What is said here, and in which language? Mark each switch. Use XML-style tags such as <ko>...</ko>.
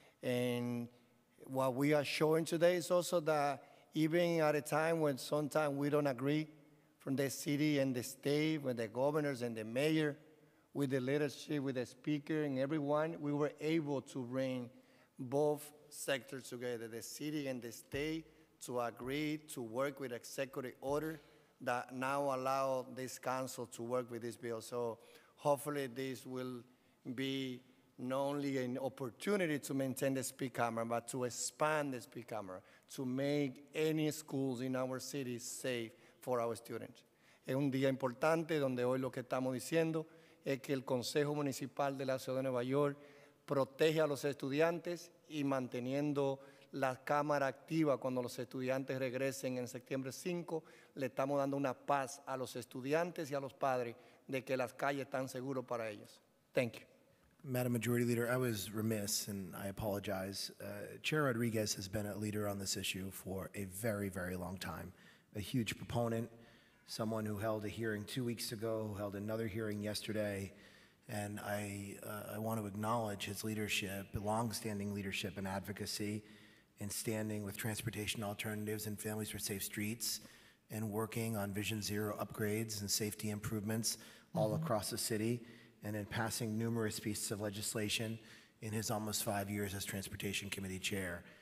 <en>And what we are showing today is also that even at a time when sometimes we don't agree from the city and the state, with the governors and the mayor, with the leadership, with the speaker and everyone, we were able to bring both sectors together, the city and the state, to agree to work with executive order that now allow this council to work with this bill. So hopefully this will be not only an opportunity to maintain the speed camera, but to expand the speed camera, to make any schools in our city safe for our students.</en> <es>Es un día importante donde hoy lo que estamos diciendo es que el Consejo Municipal de la Ciudad de Nueva York protege a los estudiantes y manteniendo la cámara activa cuando los estudiantes regresen en septiembre 5, le estamos dando una paz a los estudiantes y a los padres de que las calles están seguras para ellos.</es> <en>Thank you. Madam Majority Leader, I was remiss and I apologize. Chair Rodriguez has been a leader on this issue for a very, very long time, a huge proponent, someone who held a hearing 2 weeks ago, held another hearing yesterday, and I want to acknowledge his leadership, longstanding leadership and advocacy in standing with Transportation Alternatives and Families for Safe Streets and working on Vision Zero upgrades and safety improvements all across the city, and in passing numerous pieces of legislation in his almost 5 years as Transportation Committee Chair.</en>